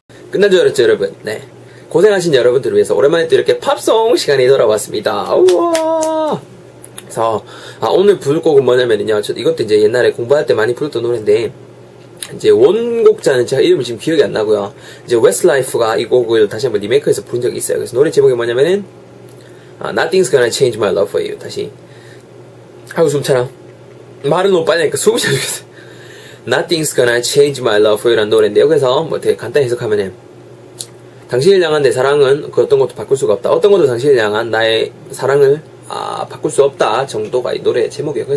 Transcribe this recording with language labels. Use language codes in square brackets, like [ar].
[ko] 끝난 줄 알았죠 여러분? 네, 고생하신 여러분들을 위해서 오랜만에 또 이렇게 팝송 시간이 돌아왔습니다. 우와. 그래서 오늘 부를 곡은 뭐냐면요, 이것도 이제 옛날에 공부할 때 많이 불렀던 노래인데, 이제 원곡자는 제가 이름을 지금 기억이 안 나고요, 이제 웨스트라이프가 이 곡을 다시 한번 리메이크해서 부른 적이 있어요. 그래서 노래 제목이 뭐냐면은 [en] Nothing's gonna change my love for you. [ko] 다시 하고 숨차라. 말은 너무 빨리 하니까 숨을 쉬어야 되겠어. [en] Nothing's gonna change my love for you [ko] 라는 노래인데, 여기서 뭐 되게 간단히 해석하면, 당신을 향한 내 사랑은 그 어떤 것도 바꿀 수가 없다, 어떤 것도 당신을 향한 나의 사랑을 바꿀 수 없다 정도가 이 노래의 제목이에요.